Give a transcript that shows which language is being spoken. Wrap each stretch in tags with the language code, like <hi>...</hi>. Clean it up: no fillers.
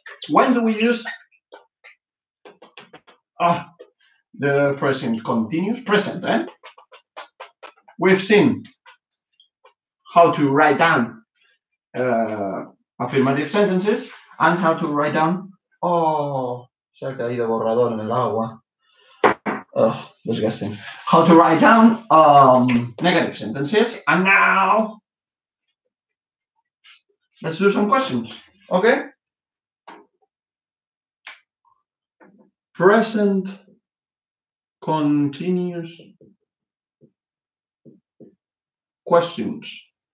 <en>When do we use the present continuous? Present, eh? We've seen how to write down affirmative sentences and how to write down...</en> <es>Oh, se ha caído borrador en el agua.</es> <en>Oh, disgusting. How to write down negative sentences. And now, let's do some questions. Okay. Present continuous questions.</en>